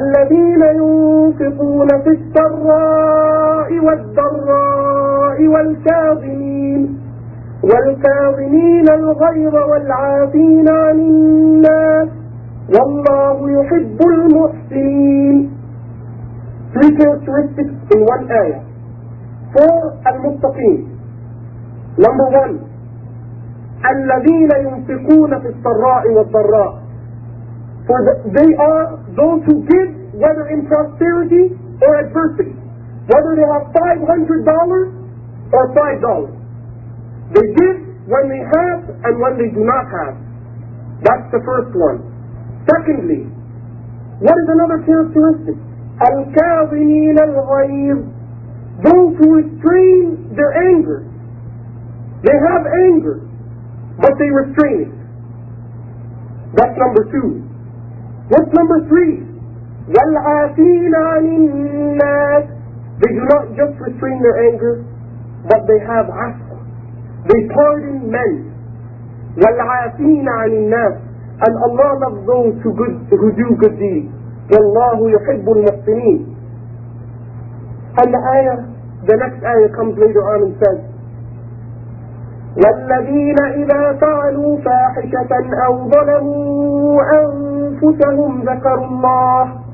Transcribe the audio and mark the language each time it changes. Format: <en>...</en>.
<ar>الذين ينفقون في السراء والضراء والكاظمين الغيظ والعافين عن الناس والله يحب المحسنين.</ar> <en>Three characteristics in one ayah for المتقين. Number one,</en> <ar>الذين ينفقون في السراء والضراء.</ar> <en>For they are those who give, whether in prosperity or adversity, whether they have $500 or $5. They give when they have and when they do not have. That's the first one. Secondly, what is another characteristic?</en> <ar>الكاظمين الغيظ.</ar> <en>Those who restrain their anger. They have anger, but they restrain it. That's number two. What's number three?</en> <ar>وَالْعَافِينَ عَنِ النَّاسِ.</ar> <en>They do not just restrain their anger, but they have afwa. They pardon men.</en> <ar>وَالْعَافِينَ عَنِ النَّاسِ.</ar> <en>And Allah loves those who do good deeds.</en> <ar>وَاللَّهُ يُحِبُّ الْمُحْسِنِينَ.</ar> <en>And the next ayah comes later on and says,</en> <ar>والذين إذا فعلوا فاحشة أو ظلموا أنفسهم ذكروا الله</ar>